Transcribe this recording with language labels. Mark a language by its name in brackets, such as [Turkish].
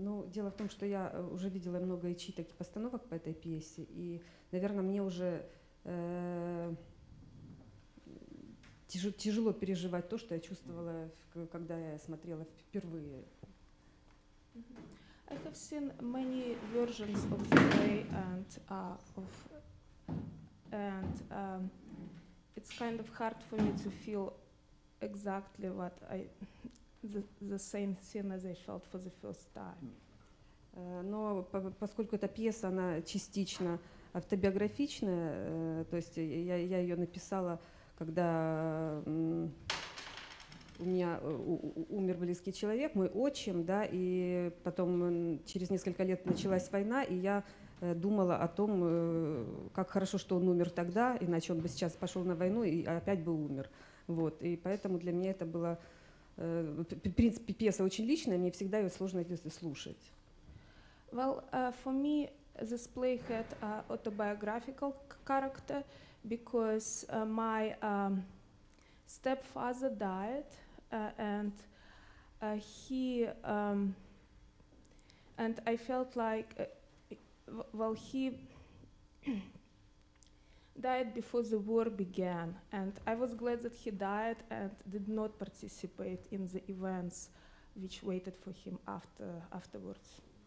[Russian] Дело в том, что я уже видела много читок и постановок по этой пьесе, и, наверное, мне уже тяжело переживать то, что я чувствовала, когда я смотрела впервые. [English] I have seen many versions of the play and it's kind of hard for me to feel exactly what I the same thing as I felt for the first time. [Russian] Но поскольку эта пьеса, она частично автобиографичная, то есть я ее написала, когда у меня умер близкий человек, мой отчим, да, и потом через несколько лет началась война, и я думала о том, как хорошо, что он умер тогда, иначе он бы сейчас пошел на войну и опять бы умер. Вот, и поэтому для меня это было... В принципе, пьеса очень личная, мне всегда ее сложно слушать. [English] Well, for me, this play had an autobiographical character because my stepfather died, and he and I felt like, well, he died before the war began, and I was glad that he died and did not participate in the events which waited for him afterwards.